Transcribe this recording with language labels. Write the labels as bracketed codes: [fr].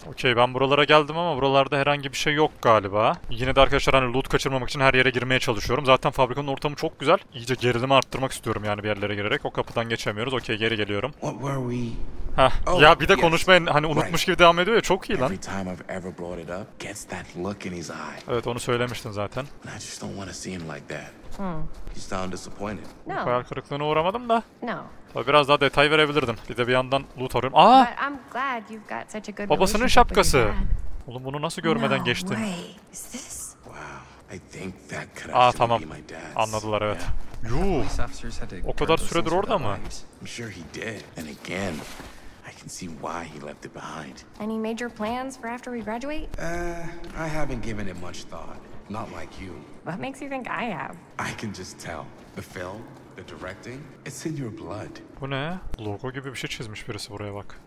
[tr] Okey, ben buralara geldim ama buralarda herhangi bir şey yok galiba. Yine de arkadaşlar hani loot kaçırmamak için her yere girmeye çalışıyorum. Zaten fabrikanın ortamı çok güzel. İyice gerilimi arttırmak istiyorum yani bir yerlere girerek. O kapıdan geçemiyoruz. Okey, geri geliyorum. [en] What were we? Hah. [tr] Oh, ya bir de konuşmayı hani unutmuş gibi devam ediyor ya, çok iyi lan. [en] Every time I've ever brought it up, gets that look in his eye. [tr] Evet, onu söylemiştin zaten. [en] And I just don't want to see him like that. You sound disappointed. No. [tr] Hayal kırıklığına uğramadım da. [en] No. [tr] Tabii biraz daha detay verebilirdim. Bir de bir yandan loot arıyorum. Aa! [en] But I'm glad you've got such a good. [tr] Babasının şapkası. Oğlum bunu nasıl görmeden [en] no [tr] geçtin? [en] This... Wow. I think that could actually. [tr] Aa tamam. Anladılar evet. Yuh. O kadar süredir orada mı? [en] I'm sure he did. And again, I can see why he left it behind. Any major plans for after we graduate? I haven't given it much thought. Not like you. What makes you think I have? I can just tell. The film, the directing, it's in your blood. [tr] Bu ne? Logo gibi bir şey çizmiş birisi, buraya bak.